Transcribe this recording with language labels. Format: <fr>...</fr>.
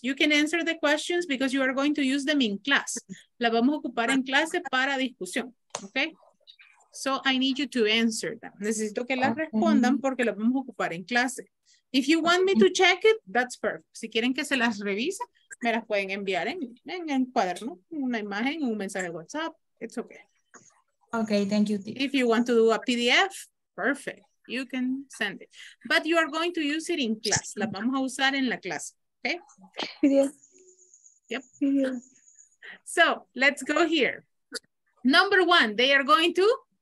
<en>You can answer the questions because you are going to use them in class.</en> <es>La vamos a ocupar en clase para discusión, okay?</es> <en>So I need you to answer them.</en> <es>Necesito que las respondan porque las vamos a ocupar en clase.</es> <en>If you want me to check it, that's perfect.</en> <es>Si quieren que se las revise, me las pueden enviar en cuaderno, una imagen, un mensaje de WhatsApp.</es> <en>It's okay. Okay, thank you. If you want to do a PDF, perfect. You can send it. But you are going to use it in class.</en> <es>La vamos a usar en la clase. Okay?</es> <en>PDF. Yep. So let's go here. Number one, they are going to?</en>